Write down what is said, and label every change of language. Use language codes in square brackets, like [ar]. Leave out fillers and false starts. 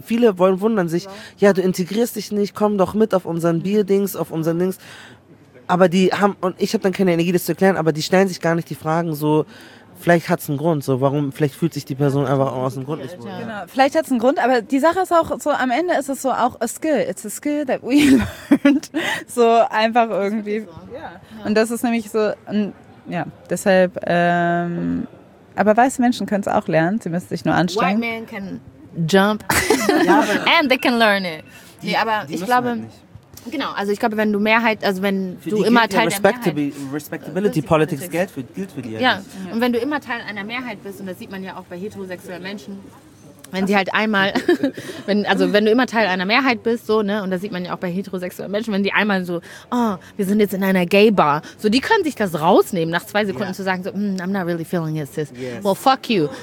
[de] Viele wundern sich. Ja, du integrierst dich nicht, komm doch mit auf unseren Bierdings, auf unseren Dings. Aber die haben, und ich habe dann keine Energie, das zu erklären, aber die stellen sich gar nicht die Fragen so, vielleicht hat es einen Grund, so warum, vielleicht fühlt sich die Person einfach auch aus dem Grund nicht wohl. Genau, vielleicht hat es einen Grund, aber die Sache ist auch so, am Ende ist es so auch [en] a skill. It's a skill that we learned. [de] So einfach irgendwie. Und das ist nämlich so, ja, deshalb, aber weiße Menschen können es auch lernen, sie müssen sich nur anstrengen. [en] White men can jump and they can learn it. [de] Nee, aber ich glaube... Halt genau, also ich glaube, wenn du Mehrheit, also wenn für du immer Teil der Mehrheit... Respectability Politics gilt für dir. Ja, und wenn du immer Teil einer Mehrheit bist, und das sieht man ja auch bei heterosexuellen Menschen, wenn sie halt einmal, wenn du immer Teil einer Mehrheit bist, so, ne, und das sieht man ja auch bei heterosexuellen Menschen, wenn die einmal so, oh, wir sind jetzt in einer Gay-Bar, so, die können sich das rausnehmen, nach 2 Sekunden zu sagen, so, [en] I'm not really feeling it, sis. Yes. Well, fuck you.